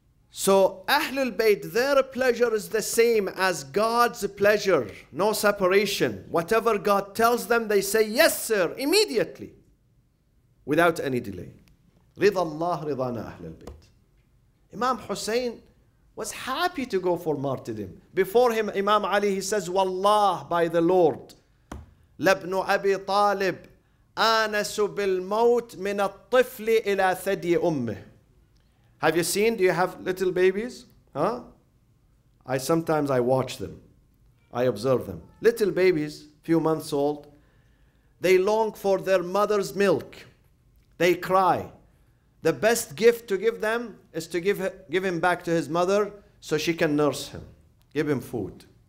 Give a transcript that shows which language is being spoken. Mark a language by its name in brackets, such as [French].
[English] So Ahlul Bayt, their pleasure is the same as God's pleasure. No separation. Whatever God tells them, they say, yes, sir, immediately. Without any delay. [Arabic] رِضَ اللَّهِ رِضَانَ أَهْلَ الْبَيْتِ. [English] Imam Hussein was happy to go for martyrdom. Before him, Imam Ali, he says, [Arabic] وَاللَّهِ [English] by the Lord, [Arabic] لَبْنُ أَبِي طَالِبْ آنَسُ بِالْمَوْتِ مِنَ الطِّفْلِ إِلَى ثَدِي أُمِّهِ. [English] Have you seen? Do you have little babies? Huh? I sometimes watch them. I observe them. Little babies, few months old, they long for their mother's milk. They cry. The best gift to give them is to give him back to his mother so she can nurse him. Give him food.